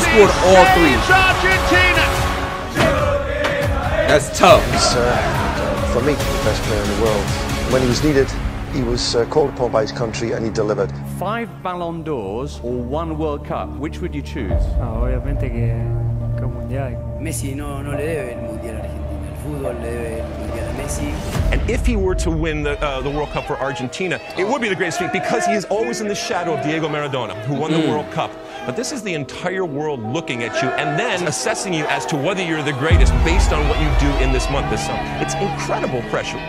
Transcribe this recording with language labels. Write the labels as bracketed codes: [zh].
[en] he scored all three. Argentina. That's tough. He's, for me, the best player in the world. When he was needed, he was called upon by his country and he delivered. Five Ballon d'Ors or one World Cup, which would you choose? [es] Obviamente que el Mundial. Messi no le debe el Mundial a Argentina. El fútbol le debe el Mundial a Messi. [en] And if he were to win the World Cup for Argentina, it would be the greatest feat because he is always in the shadow of Diego Maradona, who won the World Cup. But this is the entire world looking at you and then assessing you as to whether you're the greatest based on what you do in this month, this summer. It's incredible pressure.